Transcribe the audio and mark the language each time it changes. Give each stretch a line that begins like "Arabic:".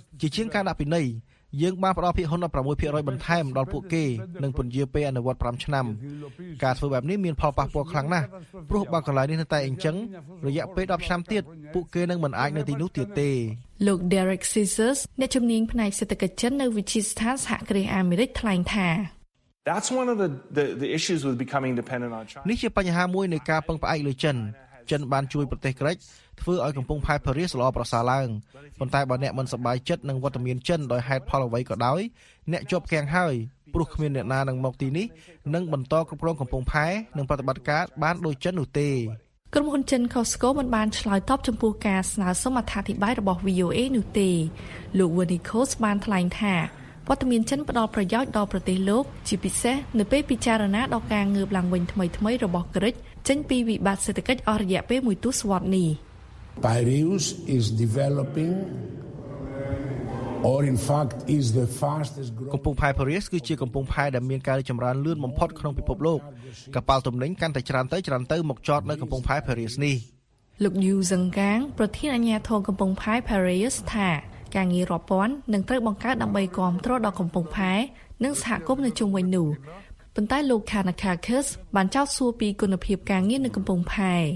Khmer: ជាជាងការដាក់ពិន័យយើងបានផ្ដល់ភាគហ៊ុន 16% បន្ថែមដល់ពួកគេនឹងពន្យារពេលអនុវត្ត5ឆ្នាំការធ្វើបែបនេះមានផលប៉ះពាល់ខ្លាំងណាស់ព្រោះបើកន្លែងនេះនៅតែអ៊ីចឹងរយៈពេល10ឆ្នាំទៀតពួកគេនឹងមិនអាចនៅទីនោះទៀតទេ លោក Derek Sisters អ្នកជំនាញផ្នែកសេដ្ឋកិច្ចនៅវិទ្យាស្ថានសហគ្រាសអាមេរិកថ្លែងថា
English: That's one of the issues with becoming dependent on China
Khmer: នេះជាបញ្ហាមួយនៃការពឹងផ្អែកលើចិនចិនបានជួយប្រទេសក្រិកធ្វើឲ្យកំពង់ផែ Paris ល្អប្រសើរឡើងប៉ុន្តែបើអ្នកមិនសប្បាយចិត្តនឹងវត្តមានចិនដោយហេតុផលអ្វីក៏ដោយអ្នកជាប់គាំងហើយព្រោះគ្មានអ្នកណានឹងមកទីនេះនឹងបន្តគ្រប់គ្រងកំពង់ផែនិងប្រតិបត្តិការបានដោយចិននោះទេ ក្រុមហ៊ុនចិន Costco មិនបានឆ្លើយតបចំពោះការស្នើសុំអត្ថាធិប្បាយរបស់ VOA នោះទេលោក Vernicos បានថ្លែងថាវត្តមានចិនផ្ដល់ប្រយោជន៍ដល់ប្រទេសលោកជាពិសេសនៅពេលពិចារណាដល់ការងើបឡើងវិញថ្មីៗរបស់ក្រិកចេញពីវិបត្តិសេដ្ឋកិច្ចអស់រយៈពេលមួយទសវត្សរ៍នេះ
English: Paris is developing or in fact is the fastest growing
Khmer: កំពង់ផែ Paris គឺជាកំពង់ផែដែលមានការរីកចម្រើនលឿនបំផុតក្នុងពិភពលោកកប៉ាល់ទំនិញកាន់តែច្រើនទៅមកចតនៅកំពង់ផែ Paris នេះ លោក Yu Zhengkang ប្រធានអាជ្ញាធរកំពង់ផែ Paris ថាការងាររាប់ពាន់នឹងត្រូវបង្កើតដើម្បីគ្រប់គ្រងដល់កំពង់ផែនិងសហគមន៍នៅជុំវិញនោះប៉ុន្តែលោក Kanakakis បានចោទសួរពីគុណភាពការងារនៅកំពង់ផែ